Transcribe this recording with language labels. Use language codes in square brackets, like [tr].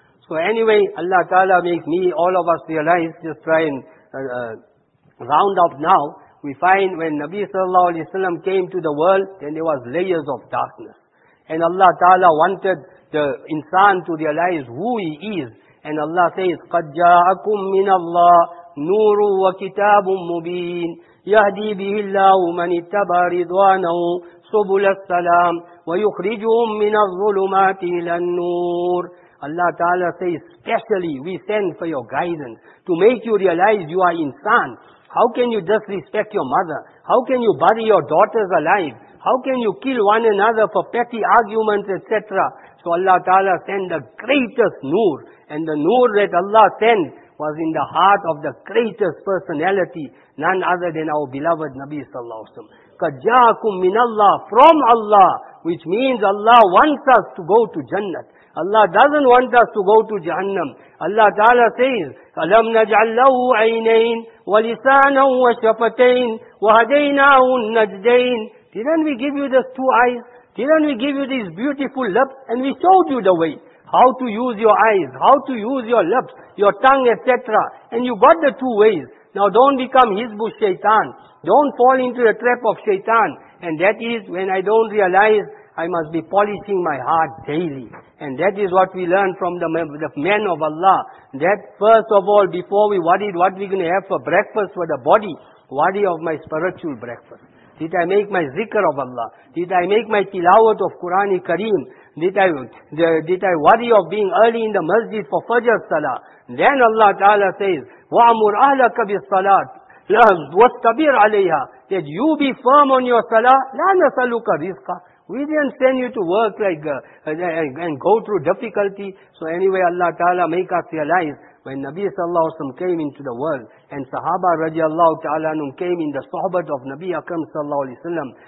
[en] So anyway, Allah Ta'ala makes me, all of us realize, just try and round up now. We find when Nabi Sallallahu Alaihi Wasallam came to the world, then there was layers of darkness. And Allah Ta'ala wanted the insan to realize who he is. [ar] And Allah says, قَدْ جَاءَكُمْ مِنَ اللَّهِ نُورٌ وَكِتَابٌ مُبِينٌ يَهْدِي بِهِ اللَّهُ مَنِ اتَّبَى رِضْوَانَهُ سُبُلَ السَّلَامِ وَيُخْرِجُهُمْ مِنَ الظُّلُمَاتِ إِلَى النُّورِ. [en] Allah Ta'ala says, specially we send for your guidance to make you realize you are insan. How can you disrespect your mother? How can you bury your daughters alive? How can you kill one another for petty arguments, etc.? So Allah Ta'ala sent the greatest nur. And the nur that Allah sent was in the heart of the greatest personality, none other than our beloved Nabi Sallallahu Alaihi Wasallam. [ar] قَدْ جَاءَكُمْ مِنَ اللَّهِ [en] from Allah, which means Allah wants us to go to Jannah. Allah doesn't want us to go to Jahannam. [ar] Allah Ta'ala says, أَلَمْ نَجْعَلْ لَهُ عَيْنَيْنِ وَلِسَانًا وَشَفَتَيْنِ وَهَدَيْنَاهُ النَّجْدَيْنِ. [en] Didn't we give you the two eyes? Didn't we give you these beautiful lips? And we showed you the way. How to use your eyes, how to use your lips, your tongue, etc. And you got the two ways. Now don't become Hizbu Shaitan. Don't fall into the trap of Shaitan. And that is when I don't realize I must be polishing my heart daily. And that is what we learn from the men of Allah. That first of all, before we worried what we're going to have for breakfast for the body, worry of my spiritual breakfast. Did I make my zikr of Allah? Did I make my tilawat of Qur'an-i Kareem? Did I worry of being early in the masjid for Fajr Salah? [ar] Then Allah Ta'ala says, وَأَمُرْ أَهْلَكَ بِالصَّلَاةِ وَاسْتَبِرْ عَلَيْهَا. [en] That you be firm on your salah. [ar] لَا نَسَلُكَ رِزْقًا. [en] We didn't send you to work and go through difficulty. So anyway, Allah Ta'ala make us realize when Nabi Sallallahu Alaihi Wasallam came into the world and Sahaba radiallahu ta'ala came in the sohbat of Nabi Akram Sallallahu Alaihi Wasallam.